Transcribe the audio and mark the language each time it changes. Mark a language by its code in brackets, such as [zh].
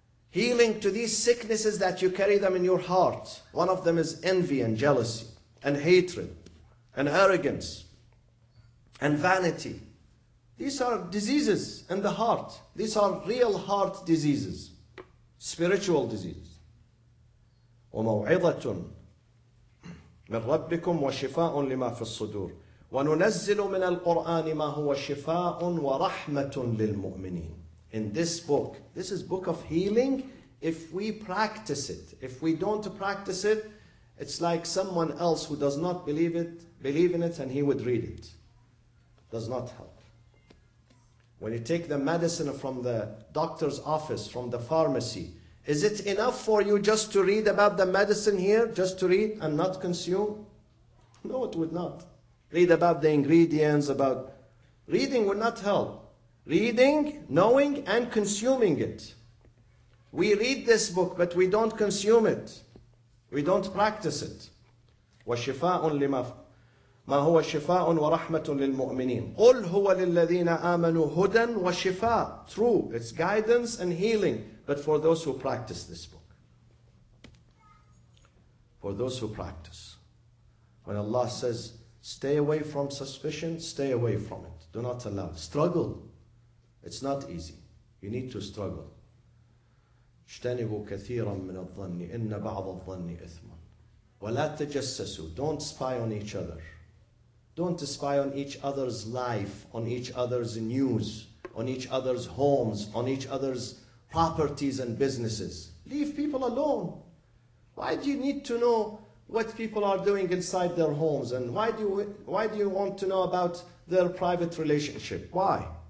[en] Healing to these sicknesses that you carry them in your heart. One of them is envy and jealousy and hatred and arrogance and vanity. These are diseases in the heart. These are real heart diseases. Spiritual diseases. [ar] وَمَوْعِظَةٌ مِنْ رَبِّكُمْ وَشِفَاءٌ لِمَا فِي الصُّدُورِ وَنُنَزِّلُ مِنَ الْقُرْآنِ مَا هُوَ شِفَاءٌ وَرَحْمَةٌ لِلْمُؤْمِنِينَ [en] In this book, this is book of healing, if we practice it. If we don't practice it, it's like someone else who does not believe in it and he would read it. Does not help. When you take the medicine from the doctor's office, from the pharmacy, is it enough for you just to read about the medicine here, just to read and not consume? No, it would not. Read about the ingredients, about reading will not help. Reading, knowing, and consuming it. We read this book, but we don't consume it. We don't practice it. [ar] وَشِفَاءٌ لِمَا مَا هُوَ شِفَاءٌ وَرَحْمَةٌ لِلْمُؤْمِنِينَ قُلْ هُوَ لِلَّذِينَ آمَنُوا هُدًى وَشِفَاءٌ [en] True, it's guidance and healing, but for those who practice this book. For those who practice. When Allah says, stay away from suspicion, stay away from it. Do not allow it. Struggle. It's not easy. You need to struggle. [ar] اجتنبوا كثيرا من الظن إن بعض الظن إثم ولا تجسسوا [en] Don't spy on each other. Don't spy on each other's life, on each other's news, on each other's homes, on each other's properties and businesses. Leave people alone. Why do you need to know what people are doing inside their homes? And why do you want to know about their private relationship? Why?